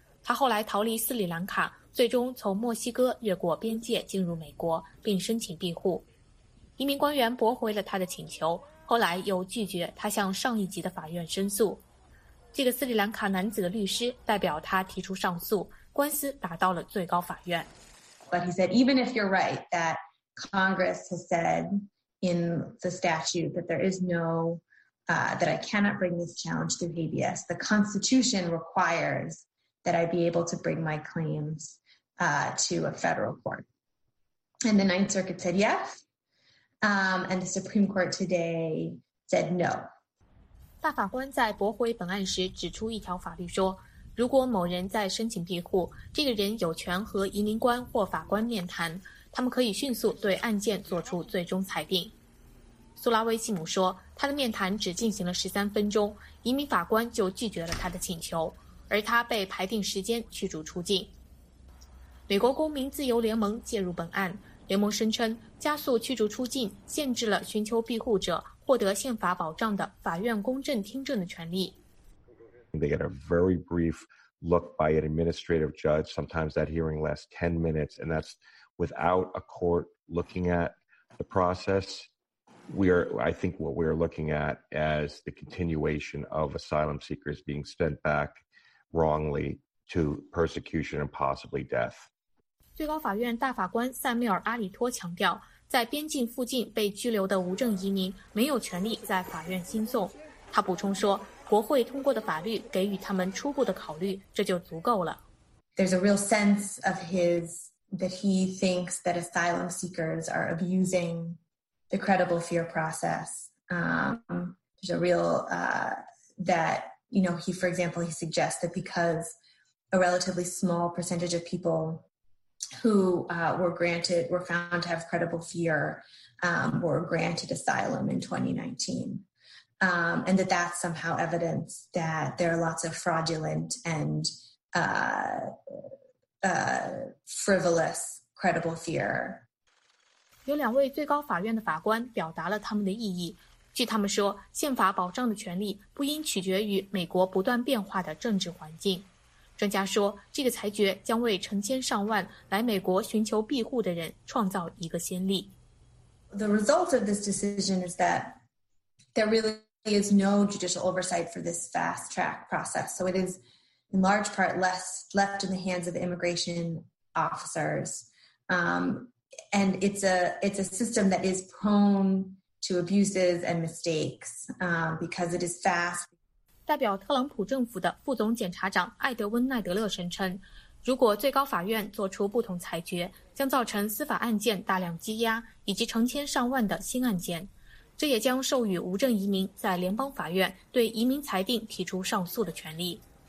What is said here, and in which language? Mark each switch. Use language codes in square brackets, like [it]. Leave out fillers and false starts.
[zh] 他后来逃离斯里兰卡，最终从墨西哥越过边界进入美国，并申请庇护。移民官员驳回了他的请求，后来又拒绝他向上一级的法院申诉。这个斯里兰卡男子的律师代表他提出上诉，官司打到了最高法院。 [en] But he said, even if you're right that Congress has said. In the statute that there is no, that I cannot bring this challenge through habeas. The Constitution requires that I be able to bring my claims to a federal court. And the Ninth Circuit said yes, and the Supreme Court today said no. [zh] 大法官在驳回本案时指出一条法律说，如果某人在申请庇护，这个人有权和移民官或法官面谈。他们可以迅速对案件做出最终裁定。苏拉威西姆说，他的面谈只进行了13分钟，移民法官就拒绝了他的请求，而他被排定时间驱逐出境。美国公民自由联盟介入本案，联盟声称加速驱逐出境限制了寻求庇护者获得宪法保障的法院公正听证的权利。 [en] They get a very brief look by an administrative judge. Sometimes that hearing lasts 10 minutes, and that'sWithout a court looking at the process, I think what we're looking at as the continuation of asylum seekers being sent back wrongly to persecution and possibly death. [zh] 最高法院大法官塞缪尔·阿里托强调，在边境附近被拘留的无证移民没有权利在法院新送。他补充说，国会通过的法律给予他们初步的考虑，这就足够了。 [en] There's a real sense of his. That he thinks that asylum seekers are abusing the credible fear process. There's a real that, you know, he, for example, he suggests that because a relatively small percentage of people who were found to have credible fear were granted asylum in 2019. And that that's somehow evidence that there are lots of fraudulent and frivolous, credible fear. [zh] 有两位最高法院的法官表达了他们的异议。据他们说，宪法保障的权利不应取决于美国不断变化的政治环境。专家说，这个裁决将为成千上万来美国寻求庇护的人创造一个先例。 [en] The result of this decision is that there really is no judicial oversight for this fast track process. So it is. In large part, left in the hands of immigration officers, and it's a system that is prone to abuses and mistakes because it is fast. [zh] 代表特朗普政府的副总检察长艾德温·奈德勒声称，如果最高法院做出不同裁决，将造成司法案件大量积压，以及成千上万的新案件，这也将授予无证移民在联邦法院对移民裁定提出上诉的权利。